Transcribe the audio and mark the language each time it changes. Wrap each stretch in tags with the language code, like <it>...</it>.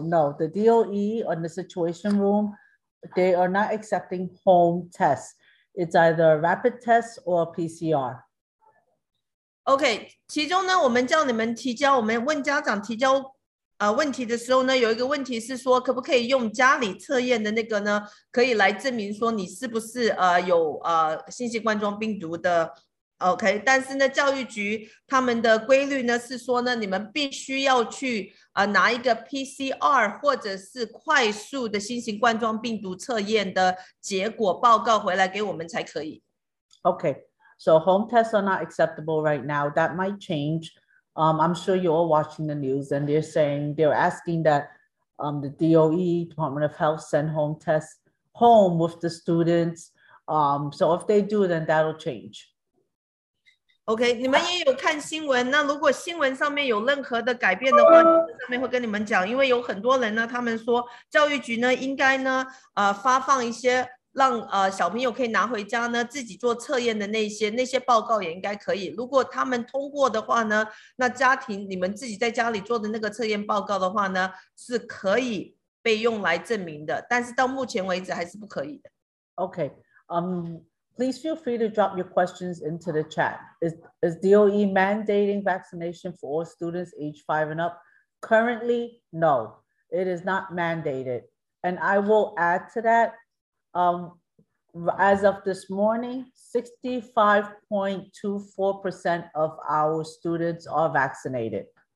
<en>No, the DOE on the Situation Room, they are not accepting home tests. It's either rapid tests or PCR.</en> <zh>OK，其中呢，我们叫你们提交，我们问家长提交。问题的时候呢，有一个问题是说，可不可以用家里测验的那个呢，可以来证明说你是不是有新型冠状病毒的？OK，但是呢，教育局他们的规律呢是说呢，你们必须要去拿一个 PCR 或者是快速的新型冠状病毒测验的结果报告回来给我们才可以。</zh> <en>Okay, so home tests are not acceptable right now. That might change. I'm sure you're all watching the news, and they're asking that the DOE, Department of Health, send home tests home with the students So if they do, then that'll change.</en> <zh>Okay, 你们也有看新闻，那如果新闻上面有任何的改变的话，上面会跟你们讲，因为有很多人呢，他们说教育局呢应该呢发放一些让小朋友可以拿回家呢自己做测验的那些报告也应该可以，如果他们通过的话呢，那家庭你们自己在家里做的那个测验报告的话呢是可以被用来证明的，但是到目前为止还是不可以的。</zh> <en>OK, please feel free to drop your questions into the chat. Is DOE mandating vaccination for all students age 5 and up? Currently, no, it is not mandated. And I will add to that, as of this morning, 65.24% of our students are vaccinated.</en>